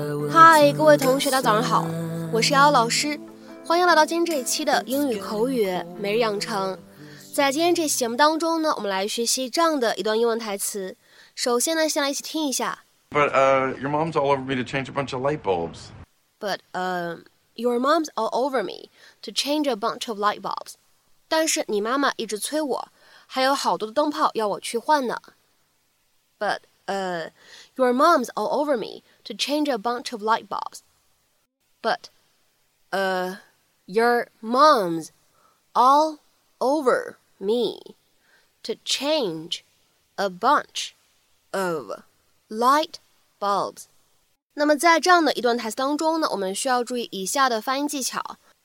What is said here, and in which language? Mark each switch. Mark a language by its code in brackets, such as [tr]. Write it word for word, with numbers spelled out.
[zh] 嗨，各位同学，大家早上好，我是姚老师，欢迎来到今天这一期的英语口语每日养成。在今天这期节目当中呢，我们来学习这样的一段英文台词。首先呢，先来一起听一下。 [en] But uh, your mom's all over me to change a bunch of light bulbs. But uh, your mom's all over me to change a bunch of light bulbs. [zh] 但是你妈妈一直催我，还有好多的灯泡要我去换呢。 [en] But uh, your mom's all over me to change a bunch of light bulbs. But uh, your mom's all over me to change a bunch of light bulbs. [zh] 那么在这样的一段台词当中呢，我们需要注意以下的发音技巧。